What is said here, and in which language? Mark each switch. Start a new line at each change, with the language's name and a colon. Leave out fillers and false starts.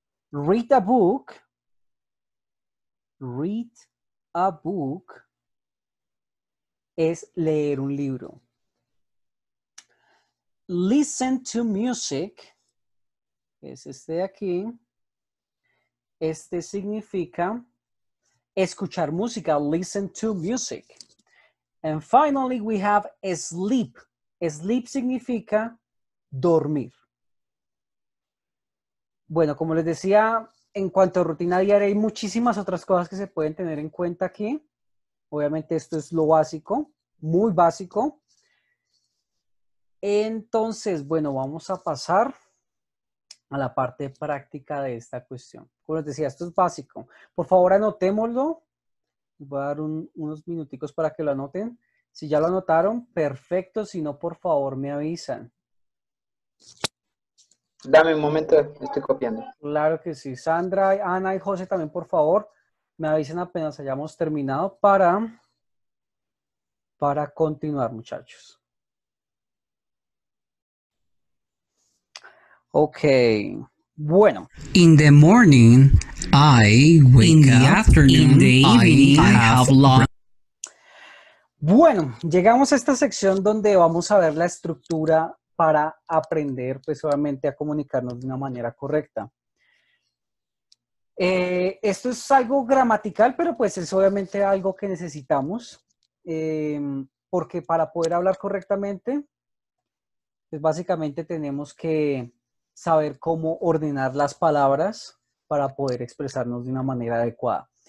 English: Read a book. Read a book
Spanish: es leer un libro.
English: listen to music.
Spanish: Es este de aquí. Este significa escuchar música.
English: Listen to music. And finally, we have sleep.
Spanish: Sleep significa dormir. Bueno, como les decía, en cuanto a rutina diaria, hay muchísimas otras cosas que se pueden tener en cuenta aquí. Obviamente, esto es lo básico, muy básico. Entonces, bueno, vamos a pasar a la parte práctica de esta cuestión. Como les decía, esto es básico. Por favor, anotémoslo. Voy a dar unos minuticos para que lo anoten. Si ya lo anotaron, perfecto. Si no, por favor, me avisan. Dame un momento, estoy copiando. Claro que sí. Sandra, Ana y José también, por favor, me avisen apenas hayamos terminado para continuar, muchachos. Okay. Bueno.
English: In the morning, I wake in the up. Afternoon, in the evening, I have lunch.
Spanish: Bueno, llegamos a esta sección donde vamos a ver la estructura para aprender, pues, obviamente, a comunicarnos de una manera correcta. Esto es algo gramatical, pero pues es obviamente algo que necesitamos, porque para poder hablar correctamente, pues básicamente tenemos que saber cómo ordenar las palabras para poder expresarnos de una manera adecuada.